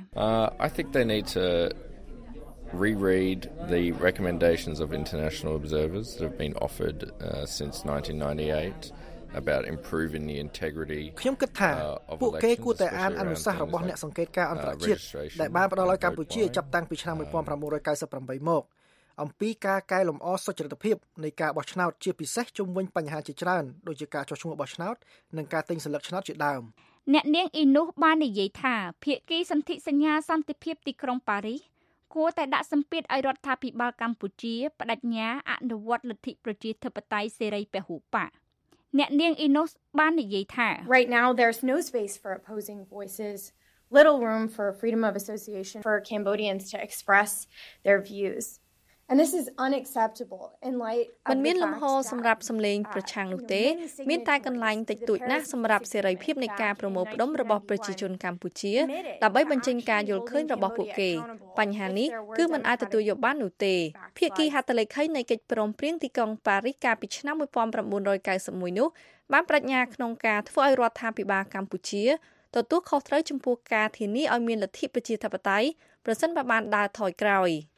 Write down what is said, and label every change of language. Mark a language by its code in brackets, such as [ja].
[en] I think they need to reread the recommendations of international observers that have been offered since 1998about improving the integrity [km] ខ្ញុំគិតថាពួកគេគួរតែអានអនុសាសន៍របស់អ្នកសង្កេតការអន្តរជាតិដែលបានផ្ដល់ឲ្យកម្ពុជាចាប់តាំងពីឆ្នាំ1998មកអំពីការកែលម្អសុចរិតភាពនៃការបោះឆ្នោតជាពិសេសជុំវិញបញ្ហាជាច្រើនដូចជាការចោះឈ្មោះបោះឆ្នោតនិងការទិញសិលឹកឆ្នោតជាដើម អ្នកនាងអ៊ីនូសបាននិយាយថាភាគីសន្ធិសញ្ញាសន្តិភាពទីក្រុងប៉ារីស គួរតែដាក់សម្ពាធឲ្យរដ្ឋាភិបាលកម្ពុជាបដិញ្ញាអនុវត្តលទ្ធិប្រជាធិបតេយ្យសេរីពហុបកអ្នកនាងអ៊ីណូសបាននិយាយថា [en] Right now there's no space for opposing voices. Little room for freedom of association for Cambodians to express their views. And this is unacceptable in light of [km] មានលំហសម្រាប់សំឡេងប្រឆាំងនោះទេមានតែកន្លែងតិចតួចណាស់សម្រាប់សេរីភាពនៃការប្រមូលផ្ដុំរបស់ប្រជាជនកម្ពុជាដើម្បីបញ្ចេញការយល់ឃើញរបស់ពួកគេបញ្ហានេះគឺមិនអាចទទួលយកបាននោះទេភាគីហត្ថលេខីនៃកិច្ចព្រមព្រៀងទីក្រុងប៉ារីសកាលពីឆ្នាំ1991នោះបានប្រាជ្ញាក្នុងការធ្វើឲ្យរដ្ឋាភិបាលកម្ពុជាទទួលខុសត្រូវចំពោះការធានាឲ្យមានលទ្ធិប្រជាធិបតេយ្យប្រសិនបើបានដើរថយក្រោយ